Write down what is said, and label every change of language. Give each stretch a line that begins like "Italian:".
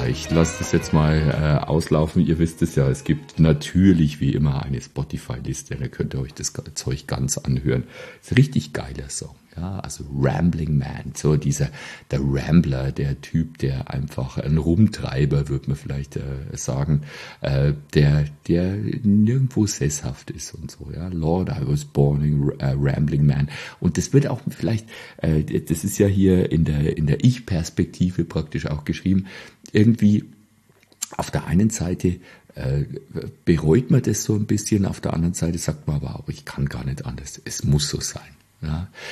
German: Lasst es jetzt mal auslaufen. Ihr wisst es ja, es gibt natürlich wie immer eine Spotify-Liste, da könnt ihr euch das Zeug ganz anhören. Ist ein richtig geiler Song. Ja? Also Rambling Man, so dieser der Rambler, der Typ, der einfach ein Rumtreiber, würde man vielleicht sagen, der nirgendwo sesshaft ist und so. Ja?
English: Lord, I was born in Rambling Man.
German: Und das wird auch vielleicht, das ist ja hier in der Ich-Perspektive praktisch auch geschrieben, irgendwie auf der einen Seite bereut man das so ein bisschen, auf der anderen Seite sagt man aber auch, ich kann gar nicht anders, es muss so sein. Ja?